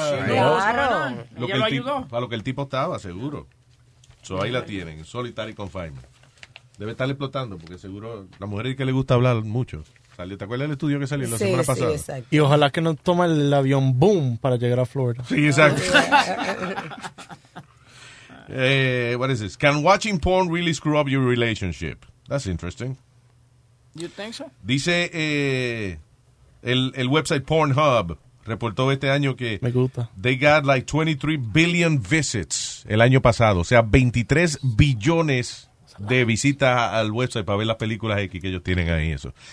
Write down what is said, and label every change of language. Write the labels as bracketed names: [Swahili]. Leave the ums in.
[Spanish] Sí, ¿no? claro. Lo ella que lo tipo, ayudó. Para lo que el tipo estaba, seguro. So, ahí la tienen, en [English] solitary confinement. [Spanish] Debe estar explotando, porque seguro la mujer es que le gusta hablar mucho. ¿Sale? ¿Te acuerdas del estudio que salió la no semana pasada? Y ojalá que no toma el avión boom para llegar a Florida. Sí, exacto. [English] Eh, what is this? Can watching porn really screw up your relationship? That's interesting. You think so? [Spanish] Dice eh, el, el website Pornhub reportó este año que Me gusta. [English] they got like 23 billion visits [Spanish] el año pasado. O sea, 23 billones de visitas al website para ver las películas X que ellos tienen ahí. Eso.